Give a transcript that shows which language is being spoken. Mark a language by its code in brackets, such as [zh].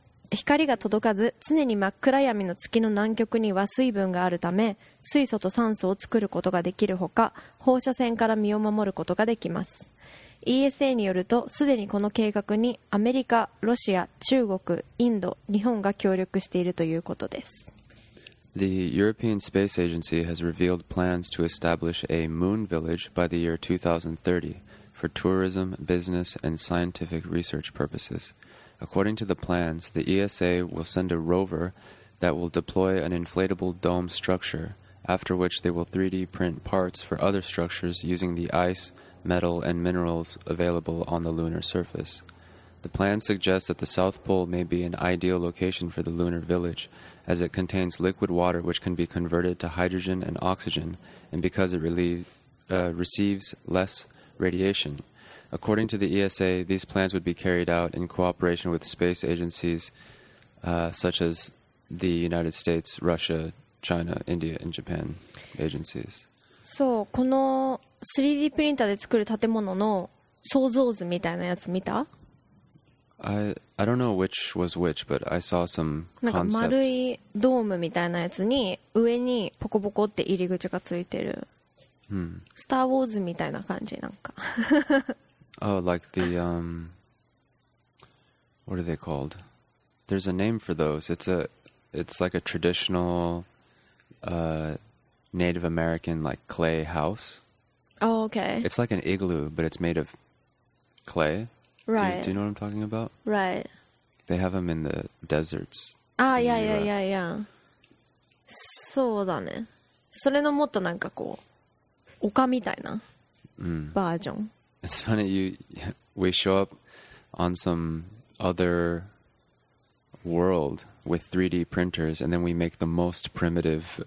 [ja] 光が届かず常に真っ暗闇の月の南極には水分があるため、水素と酸素を作ることができるほか、放射線から身を守ることができます。 ESA によると、すでにこの計画にアメリカ、ロシア、中国、インド、日本が協力しているということです。 [en] The European Space Agency has revealed plans to establish a moon village by the year 2030 for tourism, business, and scientific research purposes. According to the plans, the ESA will send a rover that will deploy an inflatable dome structure, after which they will 3D print parts for other structures using the ice, metal and minerals available on the lunar surface. The plan suggests that the South Pole may be an ideal location for the lunar village, as it contains liquid water which can be converted to hydrogen and oxygen, and because it receives less radiation. According to the ESA, these plans would be carried out in cooperation with space agencies such as the United States, Russia, China, India and Japan agencies. [ja] So, この3D プリンターで作る建物の想像図みたいなやつ見た？ [en] I don't know which was which, but I saw some concept. [ja] なんか丸いドームみたいなやつに上にポコポコって入り口がついてる。 Hmm. スターウォーズみたいな感じなんか。 [en] Oh, like the what are they called? There's a name for those. It's like a traditional Native American like clay house. Oh, okay. It's like an igloo, but it's made of clay. Right. Do you know what I'm talking about? Right. They have them in the deserts. Ah, yeah, yeah, yeah, yeah. [ja] そうだね。それのもっとなんかこう丘みたいなバージョン。 [en] It's funny, we show up on some other world with 3D printers, and then we make the most primitive.